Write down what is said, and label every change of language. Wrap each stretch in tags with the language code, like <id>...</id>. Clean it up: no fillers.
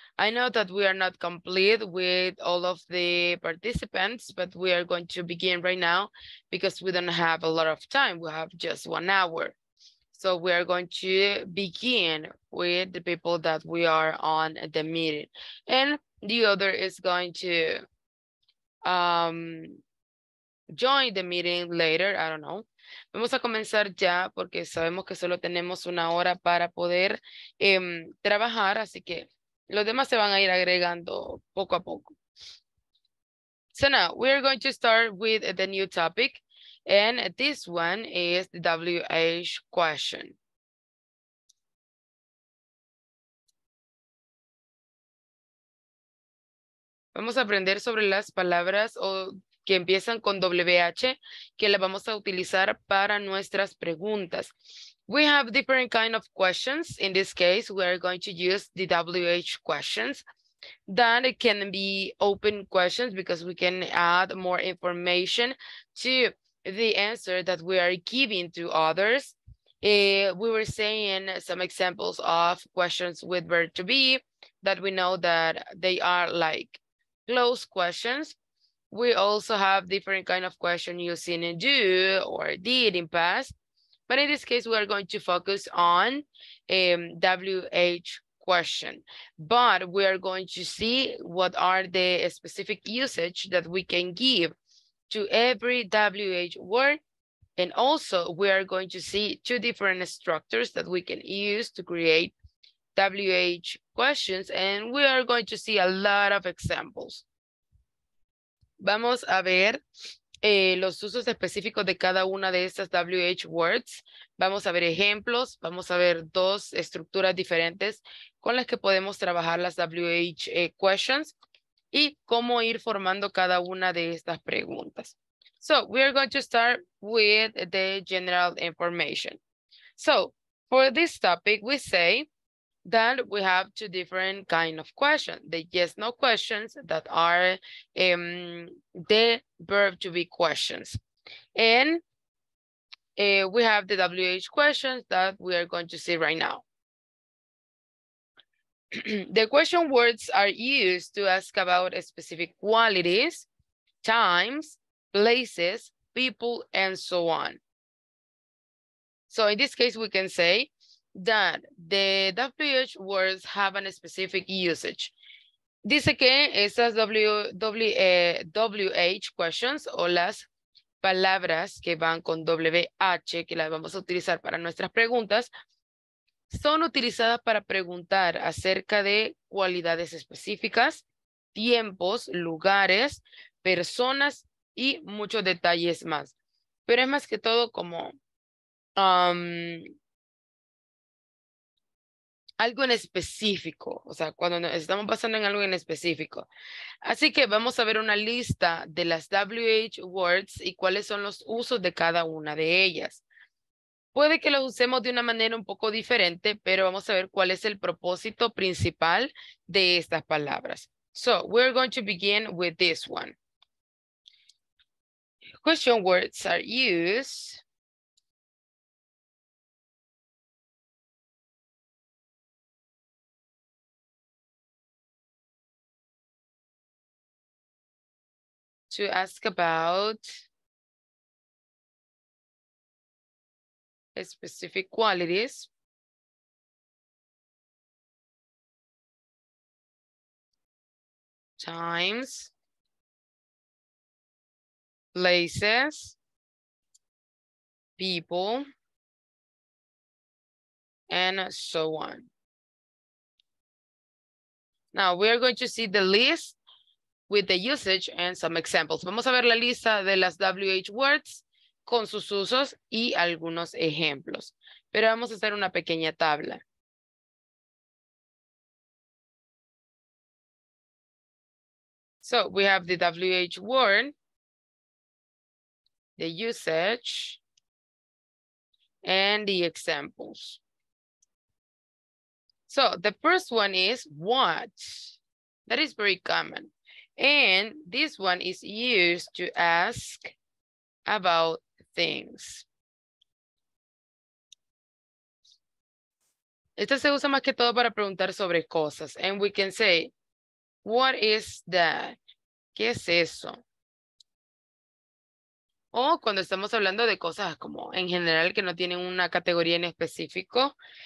<en>I know that we are not complete with all of the participants, but we are going to begin right now because we don't have a lot of time. We have just 1 hour. So we are going to begin with the people that we are on the meeting. And the other is going to join the meeting later, I don't know.</en> <es>Vamos a comenzar ya porque sabemos que solo tenemos 1 hora para poder trabajar, así que los demás se van a ir agregando poco a poco.</es> <en>So now, we are going to start with the new topic, and this one is the WH question.</en> <es>Vamos a aprender sobre las palabras o que empiezan con WH, que la vamos a utilizar para nuestras preguntas.</es> <en>We have different kind of questions. In this case, we are going to use the WH questions. Then it can be open questions because we can add more information to the answer that we are giving to others. We were saying some examples of questions with verb to be that we know that they are like closed questions. We also have different kind of questions using do or did in past. But in this case, we are going to focus on a WH question. But we are going to see what are the specific usage that we can give to every WH word. And also we are going to see two different structures that we can use to create WH questions. And we are going to see a lot of examples.</en> <es>Vamos a ver los usos específicos de cada una de estas WH words. Vamos a ver ejemplos, vamos a ver dos estructuras diferentes con las que podemos trabajar las WH questions y cómo ir formando cada una de estas preguntas.</es> <en>So, we are going to start with the general information. So, for this topic, we say that we have two different kind of questions, the yes, no questions that are the verb to be questions. And we have the WH questions that we are going to see right now. The question words are used to ask about specific qualities, times, places, people, and so on. So in this case, we can say that the WH words have a specific usage.</en> <es>Dice que esas WH questions o las palabras que van con WH, que las vamos a utilizar para nuestras preguntas, son utilizadas para preguntar acerca de cualidades específicas, tiempos, lugares, personas y muchos detalles más. Pero es más que todo como algo en específico, o sea, cuando estamos pasando en algo en específico. Así que vamos a ver una lista de las WH words y cuáles son los usos de cada una de ellas. Puede que los usemos de una manera un poco diferente, pero vamos a ver cuál es el propósito principal de estas palabras.</es> <en>So, we're going to begin with this one. Question words are used to ask about specific qualities, times, places, people, and so on. Now we are going to see the list with the usage and some examples.</en> <es>Vamos a ver la lista de las WH words con sus usos y algunos ejemplos. Pero vamos a hacer una pequeña tabla.</es> <en>So we have the WH word, the usage, and the examples. So the first one is what. That is very common. And this one is used to ask about things.</en> <es>Esta se usa más que todo para preguntar sobre cosas.</es> <en>And we can say, what is that?</en> <es>¿Qué es eso? O cuando estamos hablando de cosas como en general que no tienen una categoría en específico.</es>